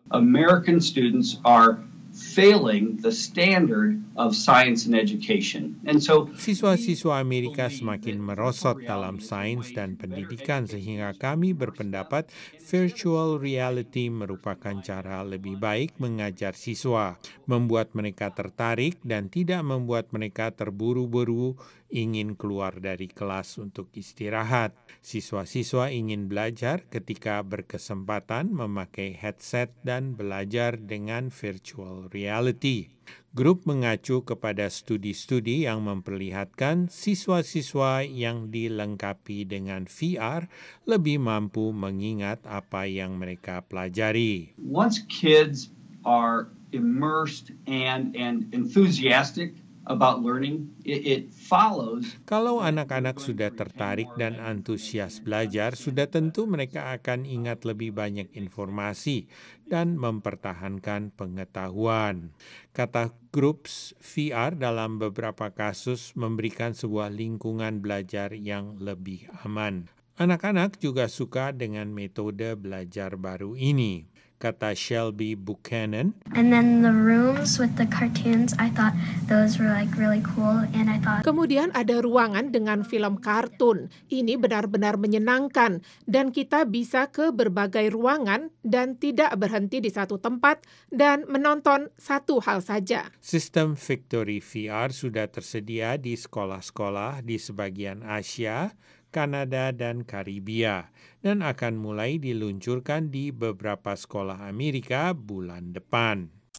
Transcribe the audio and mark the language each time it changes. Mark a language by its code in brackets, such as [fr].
[en] American students are failing the standard of science and education. And so [id] siswa-siswa Amerika semakin merosot dalam sains dan pendidikan sehingga kami berpendapat virtual reality merupakan cara lebih baik mengajar siswa, membuat mereka tertarik dan tidak membuat mereka terburu-buru ingin keluar dari kelas untuk istirahat. Siswa-siswa ingin belajar ketika berkesempatan memakai headset dan belajar dengan virtual reality. Grup mengacu kepada studi-studi yang memperlihatkan siswa-siswa yang dilengkapi dengan VR lebih mampu mengingat apa yang mereka pelajari. [en] Once kids are immersed and enthusiastic about learning, it follows. [id] Kalau anak-anak sudah tertarik dan antusias belajar, sudah tentu mereka akan ingat lebih banyak informasi dan mempertahankan pengetahuan. Kata groups VR dalam beberapa kasus memberikan sebuah lingkungan belajar yang lebih aman. Anak-anak juga suka dengan metode belajar baru ini. Kata Shelby Buchanan. [en] And then the rooms with the cartoons, I thought those were like really cool, and I thought. [id] Kemudian ada ruangan dengan film kartun. Ini benar-benar menyenangkan, dan kita bisa ke berbagai ruangan dan tidak berhenti di satu tempat dan menonton satu hal saja. Sistem Victory VR sudah tersedia di sekolah-sekolah di sebagian Asia, Kanada dan Karibia, dan akan mulai diluncurkan di beberapa sekolah Amerika bulan depan.